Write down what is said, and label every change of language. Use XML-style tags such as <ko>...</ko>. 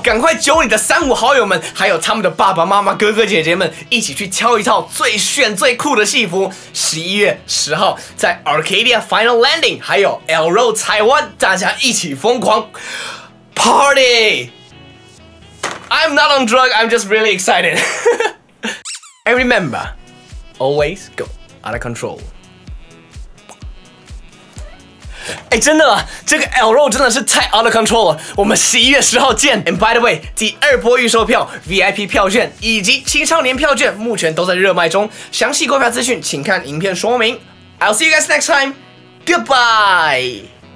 <zh>赶快揪你的3、5好友们，还有他们的爸爸妈妈、哥哥姐姐们，一起去挑一套最炫最酷的戏服。 11月10号在 Arcadia Final Landing， 还有 L Road 台湾，大家一起疯狂 party。</zh> <en>I'm not on drug. I'm just really excited. And remember, always go out of control.</en> <zh>哎，真的，这个 L Row 真的是太</zh> <en>out of control</en> <zh>了。我们11月10号见。</zh> <en>And by the way，</en> <zh>第二波预售票、VIP 票券以及青少年票券目前都在热卖中，详细购票资讯请看影片说明。</zh> <en>I'll see you guys next time. Goodbye.</en>